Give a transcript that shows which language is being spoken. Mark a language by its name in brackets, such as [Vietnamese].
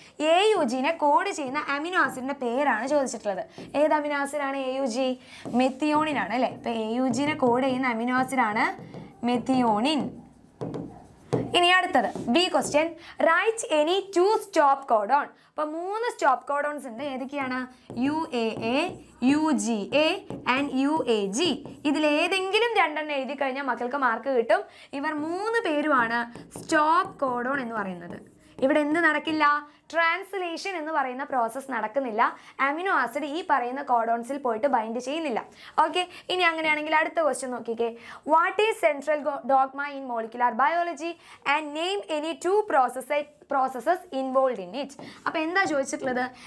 [Malayalam] AUGനെ code ചെയ്യുന്ന amino ആസിഡിൻ്റെ പേരാണ് ചോദിച്ചിട്ടുള്ളത്. ഏത് അമിനോ ആസിഡാണ് AUG? മെത്തിയോണിനാണ് അല്ലേ. ഇപ്പം AUGനെ കോഡ് ചെയ്യുന്ന അമിനോ ആസിഡാണ് മെത്തിയോണിൻ. ഇനി അടുത്തത് [English] B question, right any two stop codon. [Malayalam] അപ്പോൾ മൂന്ന് സ്റ്റോപ്പ് കോഡോൺസ് ഉണ്ട്, ഏതൊക്കെയാണ്? [English] UAA, UGA and UAG. [Malayalam] ഇതിലേതെങ്കിലും രണ്ടെണ്ണം എഴുതി കഴിഞ്ഞാൽ മക്കൾക്ക് മാർക്ക് കിട്ടും. ഇവർ മൂന്ന് പേരുമാണ് സ്റ്റോപ്പ് കോഡോൺ എന്ന് പറയുന്നത്. ഇവിടെ എന്ത് നടക്കില്ല? ട്രാൻസ്ലേഷൻ എന്ന് പറയുന്ന പ്രോസസ്സ് നടക്കുന്നില്ല. അമിനോ ആസിഡ് ഈ പറയുന്ന കോഡോൺസിൽ പോയിട്ട് ബൈൻഡ് ചെയ്യുന്നില്ല. ഓക്കെ, ഇനി അങ്ങനെയാണെങ്കിൽ അടുത്ത ക്വസ്റ്റ്യൻ നോക്കിക്കേ. [English] What is central dogma in molecular biology and name any two processes involve in it. [Malayalam] അപ്പോൾ എന്താ ചോദിച്ചിട്ടുള്ളത്?